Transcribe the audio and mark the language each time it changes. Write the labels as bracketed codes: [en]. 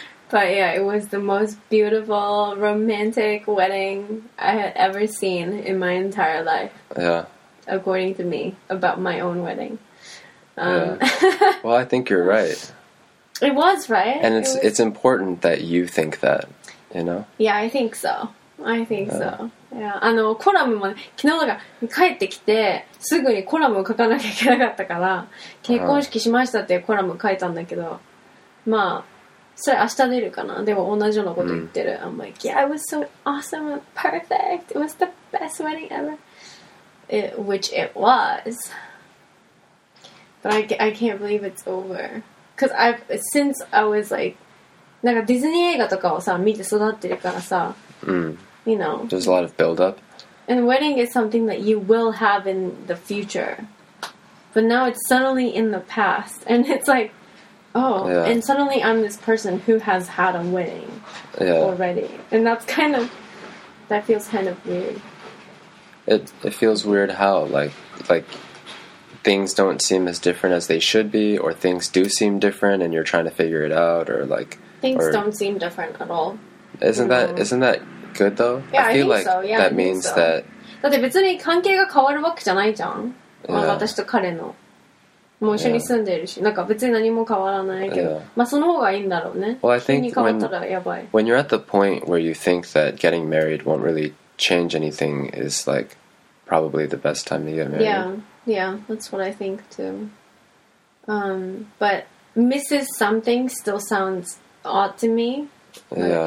[en] But yeah, it was the most beautiful, romantic wedding I had ever seen in my entire life. Yeah. According to me, about my own wedding. Yeah. Well, I think you're right. It was, right? And it's important that you think that, you know? Yeah, I think so. [ja] Yeah. あの、コラムもね、昨日なんか帰ってきて、すぐにコラムを書かなきゃいけなかったから、結婚式しましたってコラム書いたんだけど、まあ、それ明日出るかな。でも同じようなこと言ってる。 [en] I'm like, yeah, it was so awesome, perfect, it was the best wedding ever. Which it was. But I can't believe it's over. Because since I was like, [ja] なんかディズニー映画とかをさ、見て育ってるからさ、 Mm. [en] You know, there's a lot of build up. And wedding is something that you will have in the future. But now it's suddenly in the past. And it's like, oh, yeah. And suddenly I'm this person who has had a wedding already. And that's kind of, that feels kind of weird. It feels weird how, like things don't seem as different as they should be, or things do seem different and you're trying to figure it out, or like. Don't seem different at all. Isn't that good though? Yeah, I feel like so. Yeah, that means so. That. [ja] だって別に関係が変わるわけじゃないじゃん。 [en] Yeah. [ja] 私と彼の。もう一緒に住んでいるし、 [en] yeah. [ja] なんか別に何も変わらないけど、 [en] yeah. [ja] まあその方がいいんだろうね。 [en] Well, I think [ja] 急に変わったらやばい。 [en] When you're at the point where you think that getting married won't really change anything is like probably the best time to get married. Yeah, yeah, that's what I think too. But misses something still sounds odd to me. Yeah.